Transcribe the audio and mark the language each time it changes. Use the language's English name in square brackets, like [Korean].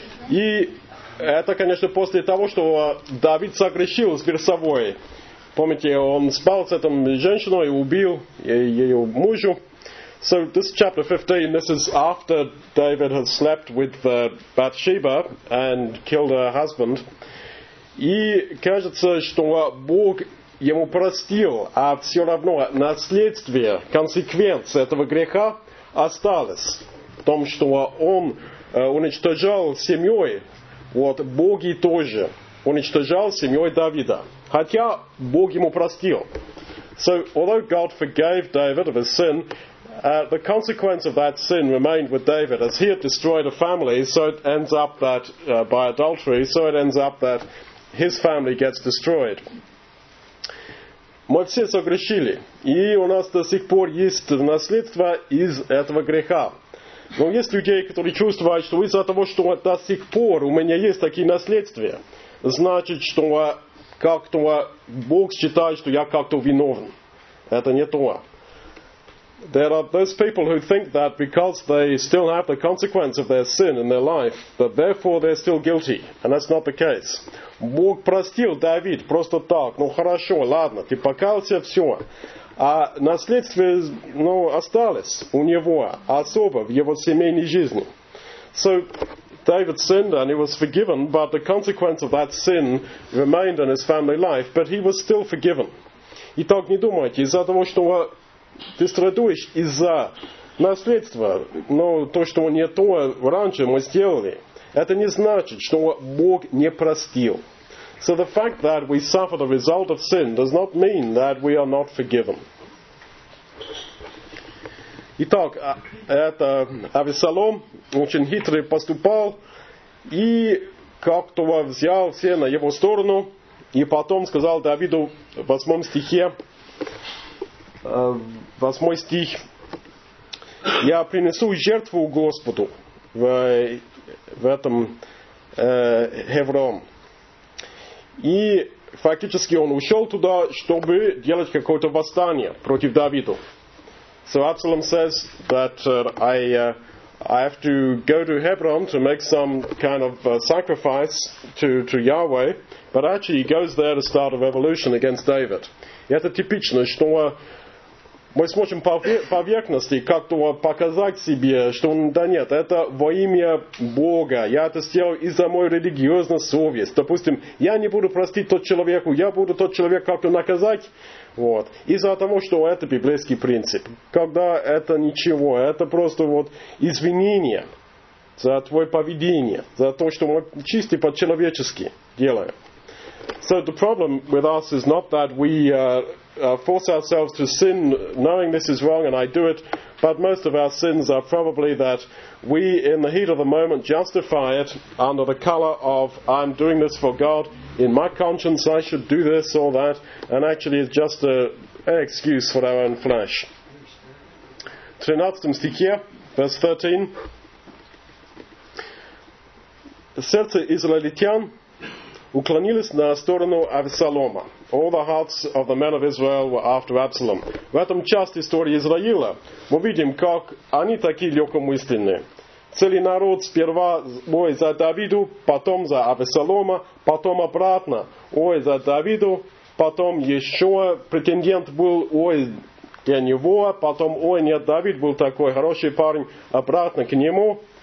[Russian] И это, конечно, после того, что Давид согрешил с Берсавой. Помните, он спал с этой женщиной и убил ее мужа. [English] So this chapter 15, this is after David has slept with Bathsheba and killed her husband. [Russian] И кажется, что Бог ему простил, а все равно наследствие, консеквенция этого греха осталось. В том, что он уничтожал семьей, вот Боги тоже уничтожал семьей Давида. Хотя Бог ему простил. [English] So, although God forgave David of his sin, the consequence of that sin remained with David. As he had destroyed a family, so it ends up that, by adultery, so it ends up that his family gets destroyed. [Russian] Мы все согрешили, и у нас до сих пор есть наследство из этого греха. Но есть людей, которые чувствуют, что из-за того, что до сих пор у меня есть такие наследствия, значит, что как-то Бог считает, что я как-то виновен. Это не то. [English] There are those people who think that because they still have the consequence of their sin in their life, that therefore they're still guilty. And that's not the case. [Russian] Бог простил Давид просто так. Ну хорошо, ладно, ты покаялся, все. А наследство, ну, осталось у него особо в его семейной жизни. [English] So, David sinned and he was forgiven, but the consequence of that sin remained in his family life, but he was still forgiven. [Russian] И так не думайте, из-за того, что ты страдуешь из-за наследства, но то, что не то раньше мы сделали, это не значит, что Бог не простил. [English] So the fact that we suffer the result of sin does not mean that we are not forgiven. [Russian] Итак, это Авессалом очень хитрый поступал и как-то взял все на его сторону и потом сказал Давиду в 8 стихе, восьмой стих, я принесу жертву Господу в этом Хеврон. И фактически он ушел туда, чтобы делать какое-то восстание против Давида. [English] So Absalom says that I have to go to Hebron to make some kind of sacrifice to Yahweh, but actually he goes there to start a revolution against David. [Russian] И это типично, что мы сможем поверхности как-то показать себе, что да нет, это во имя Бога. Я это сделал из-за моей религиозной совести. Допустим, я не буду простить тот человеку, я буду тот человек как-то наказать. Вот. Из-за того, что это библейский принцип. Когда это ничего, это просто вот извинение за твое поведение, за то, что мы чисто по-человечески делаем. [English] So the problem with us is not that we force ourselves to sin knowing this is wrong and I do it, but most of our sins are probably that we in the heat of the moment justify it under the color of I'm doing this for God, in my conscience I should do this or that, and actually it's just an excuse for our own flesh. [Russian] 13 стихе, [English] verse 13. [Russian] Сердце израильтян уклонились на сторону Авессалома. [English] All the hearts of the men of Israel were after Absalom. [Russian] В этом часть истории Израиля мы видим, как они такие легкомысленные. Целый народ сперва, ой, за Давиду, потом за Авессалома, потом обратно, ой, за Давиду, потом еще претендент был, ой, для него, потом, ой, нет, Давид был такой хороший парень, обратно к нему.